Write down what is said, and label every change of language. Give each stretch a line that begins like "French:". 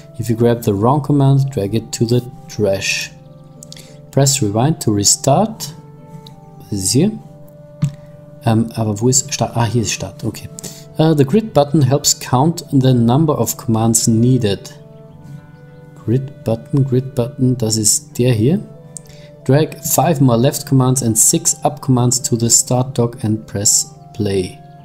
English: If you grab the wrong command, drag it to the trash. Press rewind to restart.
German: Das ist hier. Aber wo ist Start? Ah, hier ist Start. Okay.
English: The grid button helps count the number of commands needed.
German: Grid button, das ist der hier.
English: Drag 5 more left commands and 6 up commands to the start dock and press play.